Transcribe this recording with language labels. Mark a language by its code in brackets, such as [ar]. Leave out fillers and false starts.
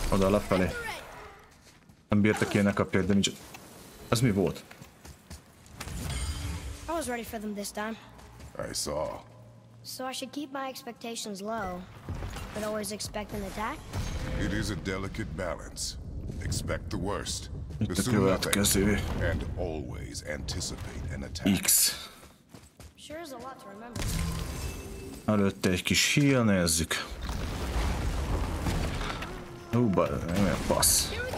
[hu] Lefelé. Nem bírta ki ennek a pér, de nincs... Ez mi volt? [en] I was ready for them this time. I saw. So I should keep my expectations low, but always expect an attack? It is a delicate balance. Expect the worst. [hu] Itt a következő. [en] And always anticipate an attack. X. Sure is a lot to remember. [hu] Előtte egy kis heal, nézzük. Hú, bár, nem ilyen fasz.